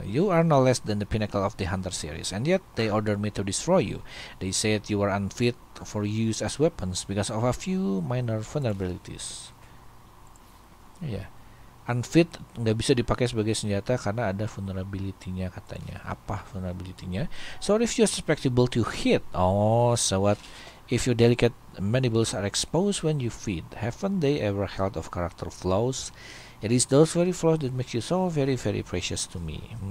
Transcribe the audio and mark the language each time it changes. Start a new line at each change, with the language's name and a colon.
English: You are no less than the pinnacle of the Hunter series. And yet, they ordered me to destroy you. They said you were unfit for use as weapons because of a few minor vulnerabilities.
Indonesian: Unfit, nggak bisa dipakai sebagai senjata karena ada vulnerability-nya katanya. Apa vulnerability-nya?
English: So if you're susceptible to hit, so what if your delicate mandibles are exposed when you feed? Haven't they ever heard of character flaws? It is those very flaws that makes you so very very precious to me.